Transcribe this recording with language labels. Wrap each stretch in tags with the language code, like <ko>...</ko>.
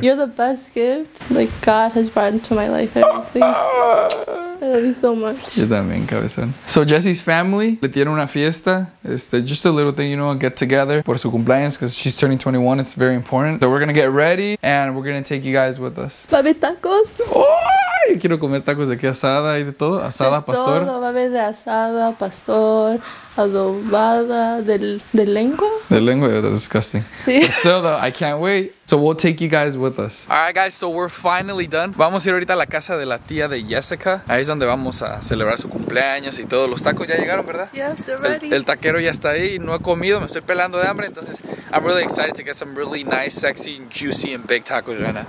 <en>You're the best gift like God has brought into my life. Everything. I love you so much.</en> <es>Yo también, cabezón.</es> <en>So Jessie's family</en> <es>le tiene una fiesta.</es> <en>Just a little thing, you know, get together</en> <es>por su cumpleaños</es> <en>because she's turning 21. It's very important. So we're gonna get ready and we're gonna take you guys with us.</en> <es>Va a haber tacos. Oh, quiero comer tacos de aquí, asada y de todo. Asada, de pastor. Todo va a haber de asada, pastor, adobada, de lengua.</es> <en>The language, that's disgusting. Yeah. But still though, I can't wait. So we'll take you guys with us. Alright guys, so we're finally done.</en> <es>Vamos a ir ahorita a la casa de la tía de Jessica. Ahí es donde vamos a celebrar su cumpleaños y todos los tacos ya llegaron, ¿verdad?</es> <en>Yeah, they're ready.</en> <es>El taquero ya está ahí, no he comido, me estoy pelando de hambre.</es> <en>Entonces, I'm really excited to get some really nice, sexy, juicy, and big tacos right now.</en>